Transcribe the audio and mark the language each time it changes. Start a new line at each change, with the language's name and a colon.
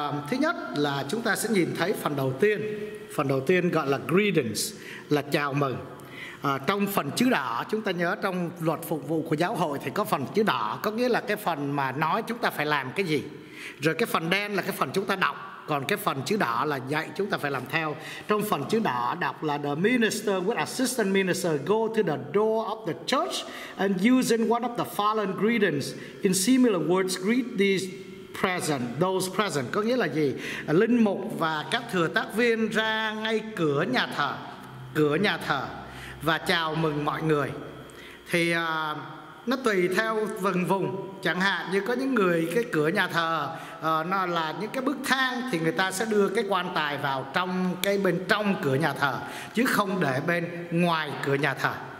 Vietnamese: Thứ nhất là chúng ta sẽ nhìn thấy phần đầu tiên gọi là greetings, là chào mừng. Trong phần chữ đỏ, chúng ta nhớ trong luật phục vụ của giáo hội thì có phần chữ đỏ, có nghĩa là cái phần mà nói chúng ta phải làm cái gì. Rồi cái phần đen là cái phần chúng ta đọc, còn cái phần chữ đỏ là dạy chúng ta phải làm theo. Trong phần chữ đỏ đọc là
English: The minister with assistant minister go to the door of the church and using one of the following greetings in similar words greet these present, those present.
Vietnamese: Có nghĩa là gì? Linh mục và các thừa tác viên ra ngay cửa nhà thờ và chào mừng mọi người. Thì nó tùy theo vùng vùng. Chẳng hạn như có những người cái cửa nhà thờ nó là những cái bức thang, thì người ta sẽ đưa cái quan tài vào trong cái bên trong cửa nhà thờ, chứ không để bên ngoài cửa nhà thờ.